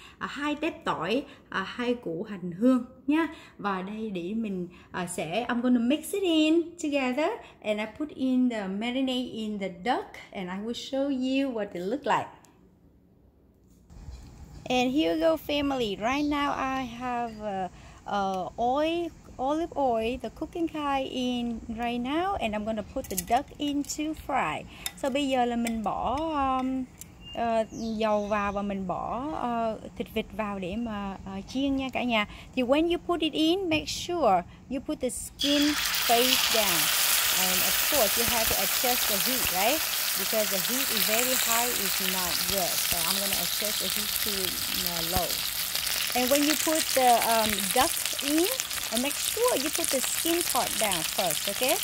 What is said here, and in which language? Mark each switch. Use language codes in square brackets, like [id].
[vi] 2 tép tỏi, 2 củ hành hương nha. Và đây để mình sẽ [en] I'm gonna mix it in together and I put in the marinate in the duck and I will show you what it look like. And here you go, family. Right now I have olive oil, the cooking kind in right now, and I'm gonna put the duck in to fry. [vi] So bây giờ là mình bỏ dầu vào và mình bỏ thịt vịt vào để mà chiên nha cả nhà. [en] Thì when you put it in, make sure you put the skin face down. And of course you have to adjust the heat, right? Because the heat is very high, it's not good. So I'm gonna adjust the heat to low. And when you put the duck in, make sure you put the skin part down first, okay?